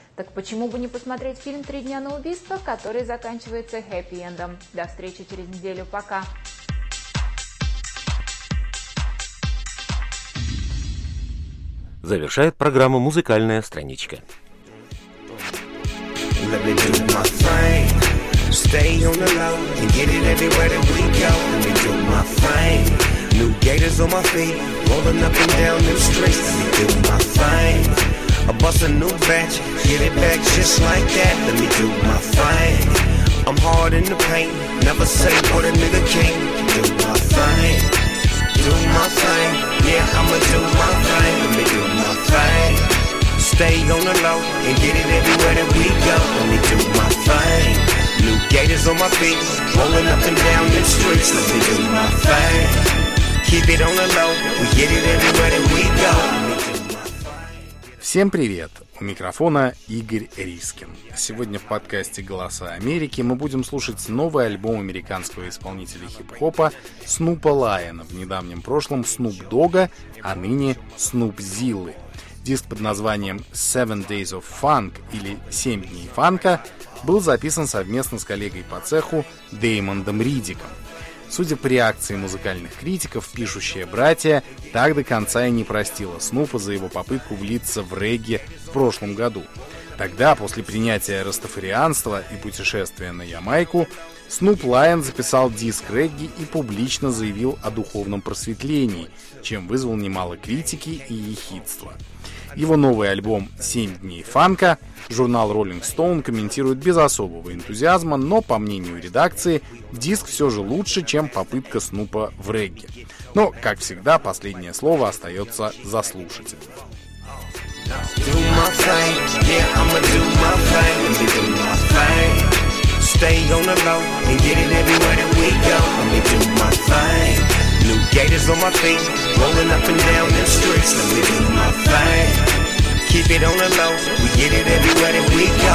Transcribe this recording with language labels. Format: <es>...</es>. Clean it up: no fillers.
<ru>Так почему бы не посмотреть фильм «Три дня на убийство», который заканчивается хэппи-эндом? До встречи через неделю. Пока! Завершает программу «Музыкальная страничка».</ru> <en>Let me do my thing, stay on the low, and get it everywhere that we go. Let me do my thing, new gators on my feet, rolling up and down them streets. Let me do my thing, I bust a new batch, get it back just like that. Let me do my thing, I'm hard in the paint, never say what a nigga can't. Do my thing, do my thing, yeah, I'ma do my thing. Let me do my thing. stay on the low and get it everywhere that we go. Let me do my thing. New gators on my feet, rolling up and down the streets. Let me do my thing. Keep it on the low. We get it everywhere that we go.</en> <ru>Всем привет! У микрофона Игорь Рискин. Сегодня в подкасте «Голоса Америки» мы будем слушать новый альбом американского исполнителя хип-хопа Снупа Лайона, в недавнем прошлом Снуп Дога, а ныне Снуп Зиллы. Диск под названием «Seven Days of Funk» или «Семь дней фанка» был записан совместно с коллегой по цеху Деймондом Ридиком. Судя по реакции музыкальных критиков, пишущие братья так до конца и не простила Снупа за его попытку влиться в регги в прошлом году. Тогда, после принятия растафарианства и путешествия на Ямайку, Снуп Лайон записал диск регги и публично заявил о духовном просветлении, чем вызвал немало критики и ехидства. Его новый альбом «Семь дней фанка» журнал Rolling Stone комментирует без особого энтузиазма, но, по мнению редакции, диск все же лучше, чем попытка Снупа в регги. Но, как всегда, последнее слово остается за слушателем.</ru> <en>Do my thing, yeah, I'ma do my thing. Let me do my thing. Stay on the low and get it everywhere that we go. Let me do my thing. New gators on my feet, rolling up and down the streets. Let me do my thing. Keep it on the low, we get it everywhere that we go.</en>